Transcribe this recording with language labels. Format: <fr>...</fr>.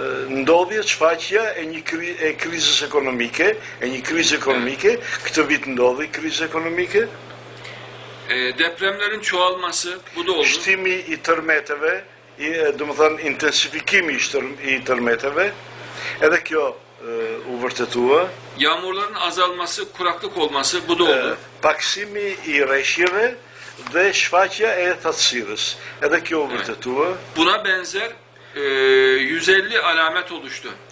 <sq>ndodhje çfaqja e një krizës ekonomike, e një krizë ekonomike, këtë vit ndodhi krizë ekonomike.</sq> <tr>Depremlerin çoğalması, bu da oldu.</tr> <sq>Shtimi i tërmeteve, domethënë intensifikimi i tërmeteve, edhe kjo u vërtetua.</sq> <tr>Yağmurların azalması, kuraklık olması, bu da oldu.</tr> <sq>Paksimi i rreshjeve dhe shfaqja e thatësirës. Edhe kjo vërtetua.</sq> <tr>Buna benzer 150 alamet oluştu.</tr>